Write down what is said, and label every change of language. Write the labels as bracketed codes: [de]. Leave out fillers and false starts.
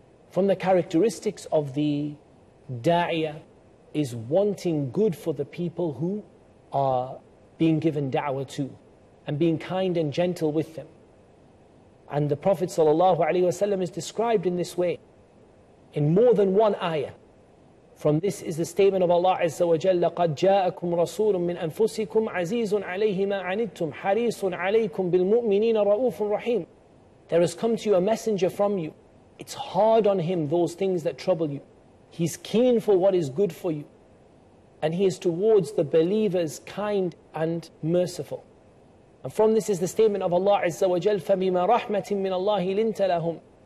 [en] From the characteristics of the da'iyah is wanting good for the people who are being given da'wah to, and being kind and gentle with them. And the Prophet ﷺ is described in this way in more than one ayah. From this is the statement of Allah Azza wa Jalla, [ar] لَقَدْ جَاءَكُمْ رَسُولٌ مِّنْ أَنفُسِكُمْ عَزِيزٌ عَلَيْهِ مَا عَنِدْتُمْ حَرِيصٌ عَلَيْكُمْ بِالْمُؤْمِنِينَ رَؤُوفٌ رَحِيمٌ. [en] There has come to you a messenger from you. It's hard on him those things that trouble you. He's keen for what is good for you. And he is towards the believers kind and merciful. And from this is the statement of Allah Azza wa Jalla, [ar] فَبِمَا رَحْمَةٍ مِّنَ اللَّهِ لِنْتَ لَهُمْ.